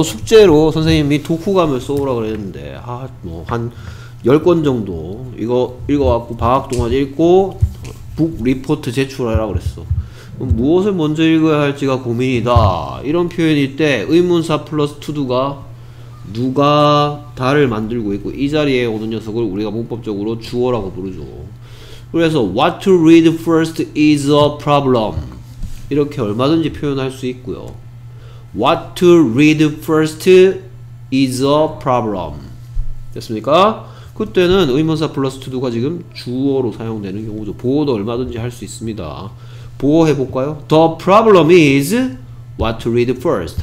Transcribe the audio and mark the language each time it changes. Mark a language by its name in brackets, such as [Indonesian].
[Korean] 숙제로 선생님이 독후감을 써오라 그랬는데 아 뭐 한 10권 정도 이거 읽어갖고 방학 동안 읽고 북 리포트 제출하라 그랬어. 그럼 무엇을 먼저 읽어야 할지가 고민이다. 이런 표현일 때 의문사 플러스 투두가 누가 다를 만들고 있고 이 자리에 오는 녀석을 우리가 문법적으로 주어라고 부르죠. 그래서 [English] what to read first is a problem. [Korean] 이렇게 얼마든지 표현할 수 있고요. [English] What to read first is a problem. [Korean] 됐습니까? 그때는 의문사 플러스 투두가 지금 주어로 사용되는 경우죠. 보어도 얼마든지 할 수 있습니다. 보어 해볼까요? [English] The problem is what to read first.